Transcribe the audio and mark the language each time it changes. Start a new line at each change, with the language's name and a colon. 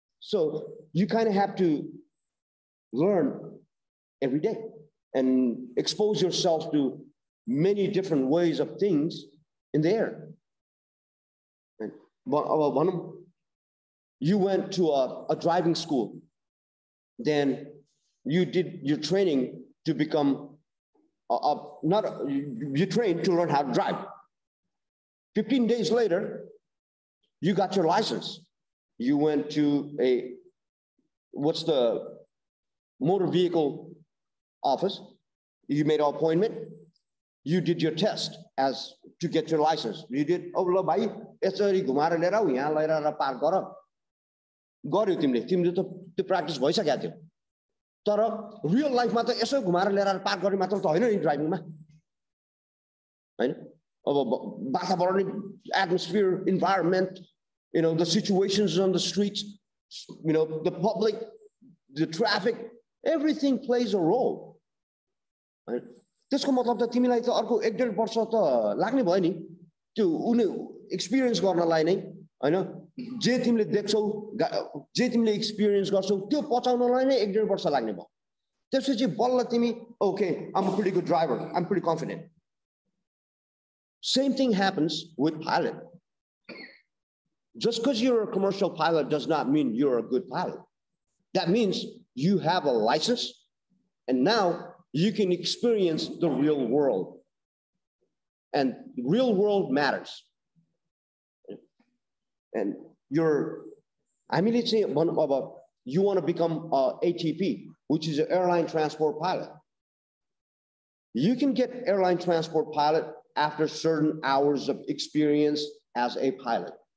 English: so you kind have to learn every day and expose yourself to many different ways of things in the air
Nepali: अब भनौँ
English: You went to a driving school. Then you did your training to become you trained to learn how to drive. 15 days later, you got your license. You went to what's the motor vehicle office. You made an appointment. You did your test as to get your license. You did, oh,
Nepali: la bhai, yesari ghumara lera au yaha lera ra park gara. गऱ्यौ तिमीले त त्यो practice भइसकेको थियो तर real लाइफमा त यसो घुमाएर लिएर आएर पार्क गर्ने मात्र त होइन नि ड्राइभिङमा होइन अब वातावरण atmosphere environment
English: You know the situations on the street you know, the public, the traffic, everything plays a role.
Nepali: त्यसको मतलब त तिमीलाई त अर्को एक डेढ वर्ष त लाग्ने भयो नि त्यो उनी एक्सपिरियन्स गर्नलाई नै होइन जे तिमीले देख्छौ जे तिमीले एक्सपिरियन्स गर्छौ त्यो पचाउनलाई नै एक डेढ वर्ष लाग्ने भयो त्यसपछि बल्ल तिमी
English: Okay I am a pretty good driver I am pretty confident same thing happens with pilot just because you're a commercial pilot does not mean you're a good pilot that means you have a licence and now You can experience the real world. And real world matters. And you're, I mean, it's one of a, you want to become a ATP, which is an airline transport pilot. You can get airline transport pilot after certain hours of experience as a pilot.